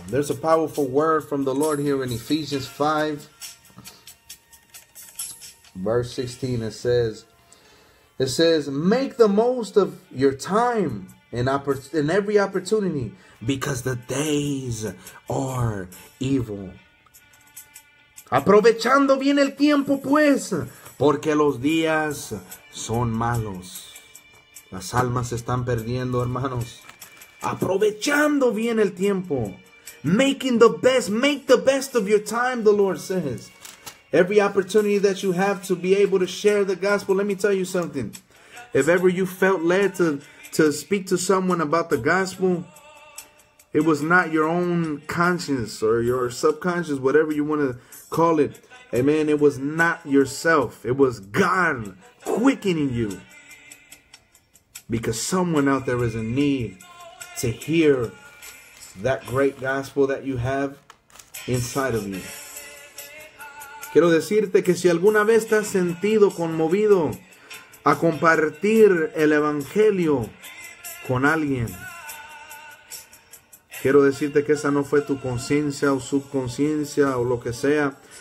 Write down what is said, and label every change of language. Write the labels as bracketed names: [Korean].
[English] There's a powerful word from the Lord here in Ephesians 5. Verse 16, it says, make the most of your time in every opportunity, because the days are evil. [Spanish] Aprovechando bien el tiempo, pues, porque los días son malos. Las almas se están perdiendo, hermanos. Aprovechando bien el tiempo. [English] Make the best of your time, the Lord says. Every opportunity that you have to be able to share the gospel. Let me tell you something. If ever you felt led to speak to someone about the gospel, it was not your own conscience or your subconscious, whatever you want to call it. Amen. It was not yourself. It was God quickening you. Because someone out there is in need to hear that great gospel that you have inside of you. [Spanish] Quiero decirte que si alguna vez te has sentido conmovido a compartir el evangelio con alguien, quiero decirte que esa no fue tu conciencia o subconsciencia o lo que sea.